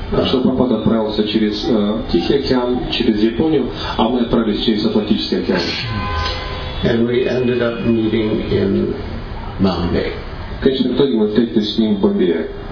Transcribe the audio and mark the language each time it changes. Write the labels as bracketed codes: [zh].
[ru] Шилпапада отправился через Тихий океан, через Японию, а мы отправились через Атлантический океан. [en] And we ended up meeting in Bombay. [ru] Конечно, в итоге мы встретились с ним в Бомбее.